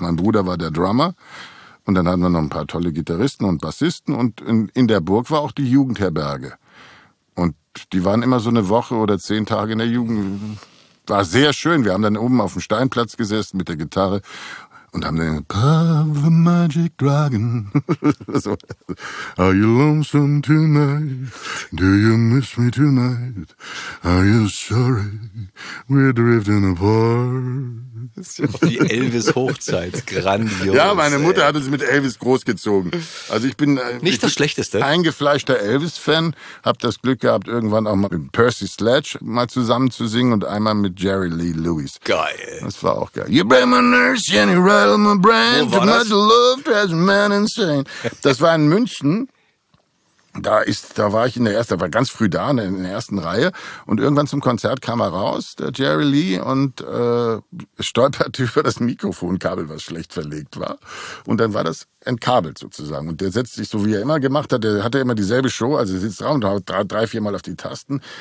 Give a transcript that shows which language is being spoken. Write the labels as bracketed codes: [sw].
[de] Mein Bruder war der Drummer. Und dann hatten wir noch ein paar tolle Gitarristen und Bassisten. Und in der Burg war auch die Jugendherberge. Und die waren immer so eine Woche oder 10 Tage in der Jugend. War sehr schön. Wir haben dann oben auf dem Steinplatz gesessen mit der Gitarre und haben dann Puff the Magic Dragon. So. [en] Are you lonesome tonight? Do you miss me tonight? Are you sorry? We're drifting apart. [de] Das ist ja auch die Elvis-Hochzeit. Grandios. Ja, meine Mutter hat es mit Elvis großgezogen. Also ich bin nicht das Schlechteste. Eingefleischter Elvis-Fan. Hab das Glück gehabt, irgendwann auch mal mit Percy Sledge mal zusammen zu singen und einmal mit Jerry Lee Lewis. Geil. Das war auch geil. [en] You bring my nurse, Jenny, rattle my brain. Too much love, drives a man insane. [de] Das war in München. Da war ich in der ersten, da war ganz früh da, in der ersten Reihe. Und irgendwann zum Konzert kam er raus, der Jerry Lee, und stolperte über das Mikrofonkabel, was schlecht verlegt war. Und dann war das entkabelt sozusagen. Und der setzt sich, so wie er immer gemacht hat, der hatte immer dieselbe Show, also er sitzt drauf und haut 3-4 Mal auf die Tasten.